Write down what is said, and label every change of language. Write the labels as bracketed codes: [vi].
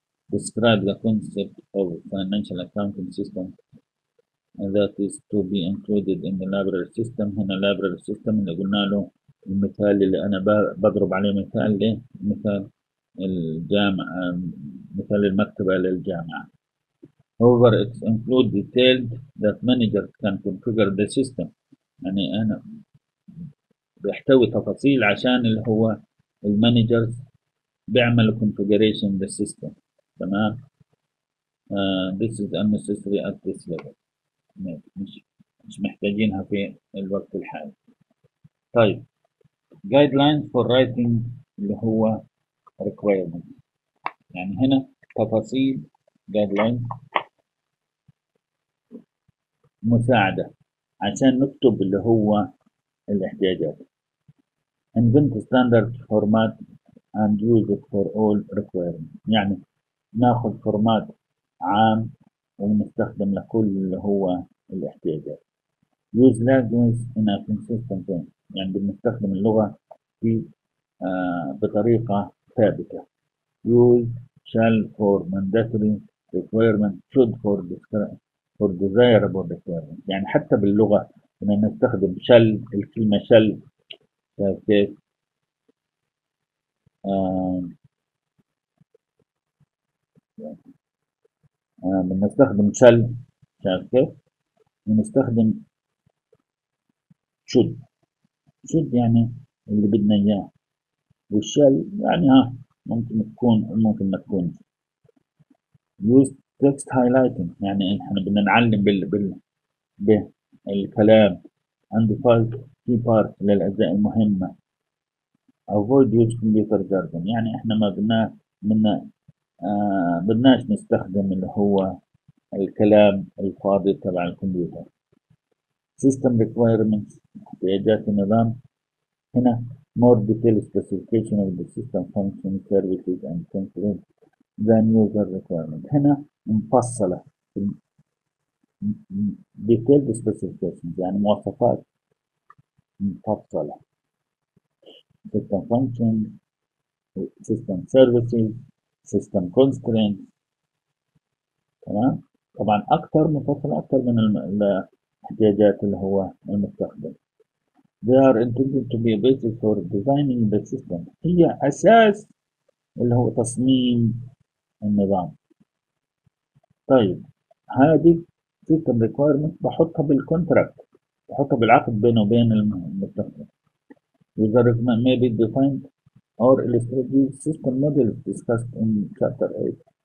[en] Describe the concept of financial accounting system that is to be included in the library system. [ar] هنا library system اللي قلنا له المثال اللي أنا بضرب عليه مثال ليه؟ مثال الجامعة، مثال المكتبة للجامعة. [en] However, it includes details that managers can configure the system. [ar] يعني أنا بيحتوي تفاصيل عشان اللي هو المانجرز بيعمل [en] configuration the system. تمام؟ this is unnecessary at this level. [ar] مش محتاجينها في الوقت الحالي. [en] طيب، guidelines for writing [ar] اللي هو [en] requirement. [ar] يعني هنا تفاصيل guidelines مساعدة عشان نكتب اللي هو الاحتياجات. [en] Invent standard format and use it for all requirements. [ar] يعني ناخذ فورمات عام ونستخدم لكل اللي هو الاحتياجات. [en] Use language in a consistent way. [ar] يعني بنستخدم اللغة في بطريقة ثابتة. [en] Use shall for mandatory requirements, should for discretionary. for desirable requirements. [ar] يعني حتى باللغة إن نستخدم شل، الكلمة شل كيف بنستخدم شل كيف بنستخدم شد شد يعني اللي بدنا إياه، والشل يعني ها ممكن تكون ممكن ما تكون. [en] Use text highlighting [ar] يعني احنا بدنا نعلم بالكلام. عندي فايل كي بارت للاجزاء المهمه. [en] avoid use computer jargon [ar] يعني احنا ما بدناش نستخدم اللي هو الكلام الفاضي تبع الكمبيوتر. [en] system requirements [ar] احتياجات النظام. [en] هنا more detailed specification of the system functions services and controls than user requirement. [ar] هنا مفصلة [en] detailed specifications [ar] يعني مواصفات مفصلة. [en] system functions, system services, system constraints. [ar] تمام، طبعا أكثر مفصلة أكثر من الاحتياجات اللي هو المستخدم. [en] they are intended to be a basis for designing the system. [ar] هي أساس اللي هو تصميم النظام. طيب هذه system requirement بحطها بالcontract، بحطها بالعقد بينه وبين المستخدم. [en] user requirement may be defined or illustrated system model discussed in chapter 8.